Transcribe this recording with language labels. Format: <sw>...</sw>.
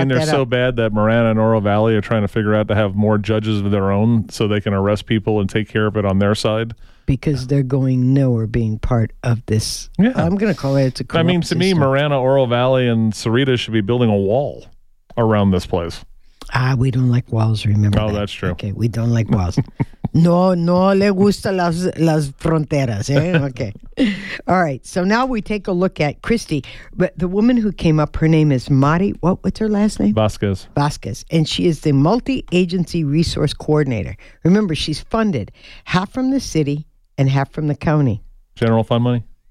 <en>I mean, they're so bad that Moran and Oro Valley are trying to figure out to have more judges of their own so they can arrest people and take care of it on their side. Because they're going nowhere being part of this. Yeah. I'm going to call it a corrupt system. I mean, to me, Moran, Oro Valley, and Sarita should be building a wall around this place. Ah, we don't like walls, remember. Oh, that. That's true. Okay, we don't like walls.</en> <es>No, no le gusta las fronteras, eh?</es> <en>Okay. All right, so now we take a look at Christy. But the woman who came up, her name is Mari. What's her last name? Vasquez. Vasquez. And she is the multi-agency resource coordinator. Remember, she's funded half from the city and half from the county. General fund money?</en>